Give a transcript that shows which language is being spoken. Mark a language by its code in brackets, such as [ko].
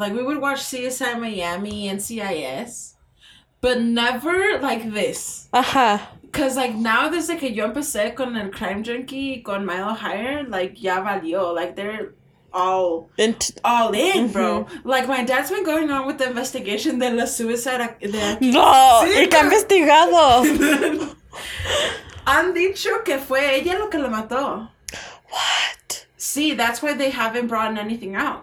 [en] Like, we would watch CSI Miami and CIS, but never like this. Uh-huh. Because, like, now there's, like, [es] yo empecé con el crime junkie, con Milo Higher, like, ya valió. [en] Like, they're all in, mm-hmm. bro. Like, my dad's been going on with the investigation [es] de la [en] suicide. [es] De... No, sí, que ha investigado. Han dicho que fue ella lo que lo mató. [en] What? See, that's why they haven't brought anything out.